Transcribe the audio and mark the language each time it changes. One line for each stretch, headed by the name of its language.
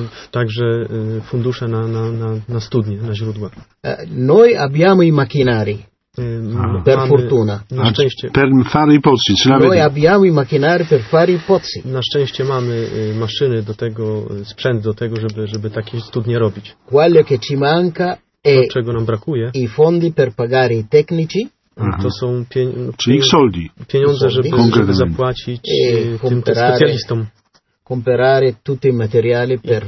Polish: Także fundusze na studnie, na źródła.
Italian: Noi abbiamo i macchinari, per fortuna.
Polish: Na szczęście.
Italian: Per fare i pozzi. Noi abbiamo i macchinari per fare i pozzi.
Polish: Na szczęście mamy maszyny do tego, sprzęt do tego, żeby takie studnie robić.
Italian: Quello che ci manca è
Polish: to, czego nam brakuje.
Italian: I fondi per pagare i tecnici.
Polish: To są pieniądze, żeby zapłacić tym specjalistom.
Italian: Comprare tutti i materiali